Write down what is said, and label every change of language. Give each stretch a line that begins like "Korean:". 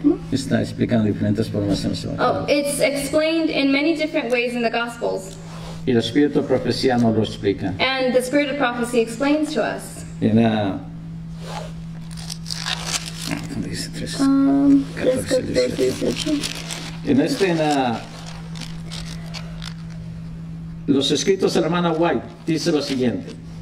Spanish: está explicado en diferentes formas en los evangelios.
English: Oh, it's explained in many different ways in the gospels.
Spanish: Y el espíritu de profecía no lo explica.
English: And the spirit of prophecy explains to us.
Spanish: En, los escritos de la hermana White dice lo siguiente.